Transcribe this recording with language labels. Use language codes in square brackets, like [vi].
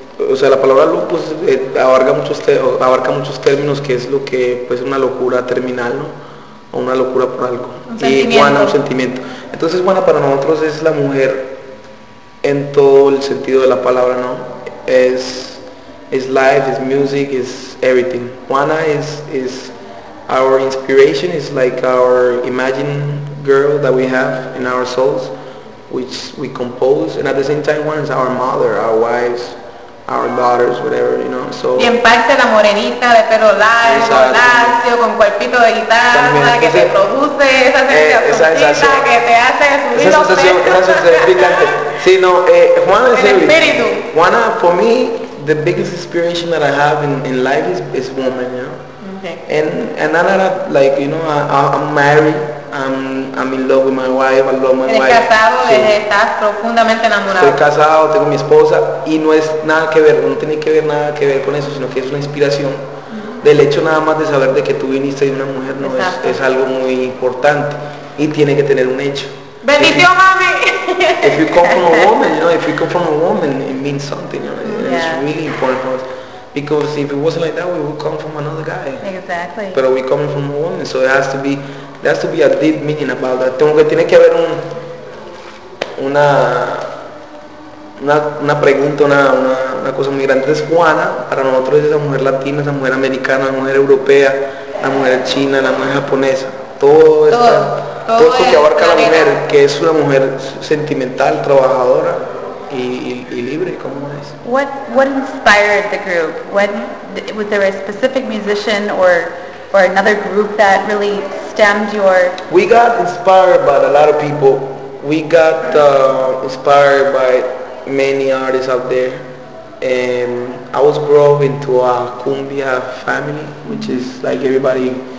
[es] O sea, la palabra locos abarca muchos términos, que es lo que pues una locura terminal, ¿no? O una locura por algo. Y Juana, un sentimiento. Entonces Juana para nosotros es la mujer en todo el sentido de la palabra, ¿no? Es life, es music, es everything. [en] Juana is our inspiration, is like our imagined girl that we have in our souls, which we compose. And at the same time, Juana is our mother, our wives, our daughters, whatever, you know, so... [es] Y en parte la morenita de pelo largo, lacio, con cuerpito de guitarra, también, que te produce esa sensación, que te hace subir esa sensación, los pelos. Esa sensación, picante. Sí, no, Juana es el espíritu. [en] Juana, for me, the biggest inspiration that I have in life is woman, you know. Okay. And I don't have, like, you know, I'm married, I'm in love with my wife, I love my wife. [es] Casado, sí. Estás profundamente enamorado. Estoy casado, tengo mi esposa y no es nada que ver, no tiene que ver nada que ver con eso, sino que es una inspiración. Del hecho nada más de saber de que tú viniste de una mujer, no es algo muy importante y tiene que tener un hecho. Bendición, mami. [en] If you come from a woman, you know, if you come from a woman, it means something, you know, it's really important for us. Because if it wasn't like that, we would come from another guy. Exactly. But we come from a woman, so it has to be. There has to be a deep meaning about that. [es] Tiene que haber una pregunta, una cosa muy grande. Es Juana, para nosotros es la mujer latina, la mujer americana, la mujer europea, la mujer china, la mujer japonesa. Todo esto que abarca la mujer, que es una mujer sentimental, trabajadora y libre, ¿cómo es? [en] What inspired the group? Was there a specific musician or another group that really stemmed your... We got inspired by a lot of people. We got inspired by many artists out there. And I was growing into a cumbia family, which is like everybody...